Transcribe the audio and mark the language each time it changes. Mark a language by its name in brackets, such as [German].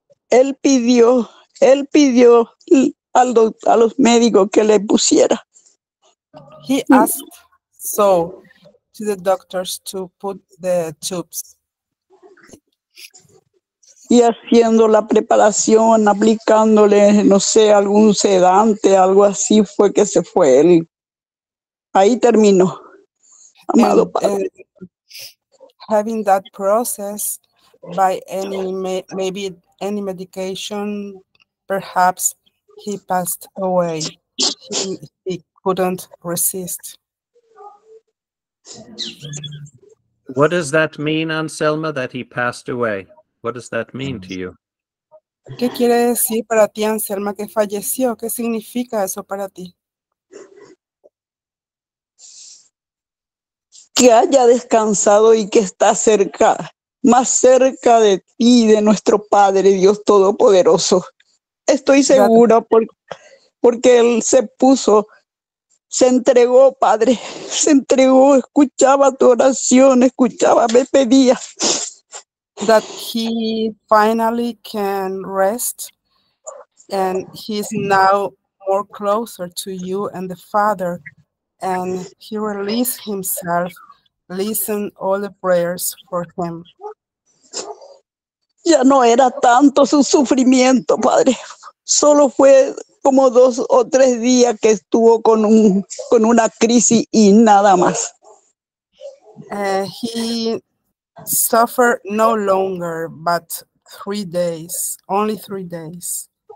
[Spanish] Él pidió a los médicos que le pusiera. [English] He asked so to the doctors to put the tubes. [Spanish] Y haciendo la preparación, aplicándole, no sé, algún sedante, algo así, fue que se fue él. Ahí terminó, amado Padre. [English] Having that process by any, maybe any medication, perhaps he passed away. He couldn't resist. What does that mean, Anselma, that he passed away? What does that mean to you? [Spanish] ¿Qué quiere decir para ti, Anselma, que falleció? ¿Qué significa eso para ti? Que haya descansado y que está cerca, más cerca de ti, de nuestro Padre Dios Todopoderoso. Estoy segura porque él se puso, se entregó, Padre, se entregó, escuchaba tu oración, escuchaba, me pedía. [English] That he finally can rest and he's now more closer to you and the Father, and he released himself, listen all the prayers for him. [Spanish] Ya no era tanto su sufrimiento, Padre, solo fue como dos o tres días que estuvo con una crisis y nada más. [English] He suffer no longer, but 3 days, only 3 days.